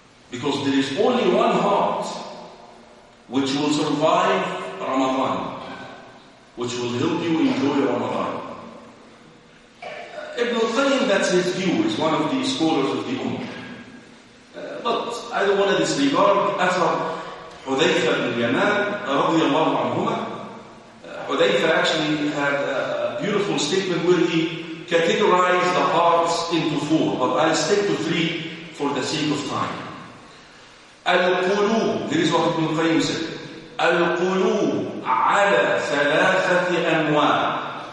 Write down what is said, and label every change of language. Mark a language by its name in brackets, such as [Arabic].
[English] Because there is only one heart which will survive Ramadan, which will help you enjoy Ramadan. Ibn al-Qayyim, that's his view, is one of the scholars of the Ummah. But I don't want to disregard Athar [Arabic] حذيفة بن اليمان رضي الله عنهما. [English] حذيفة actually had a beautiful statement where he categorized the hearts into four, but I'll stick to three for the sake of time. القلوب, this is what Ibn Qayyim said, [Arabic] القلوب على ثلاثة أنواع.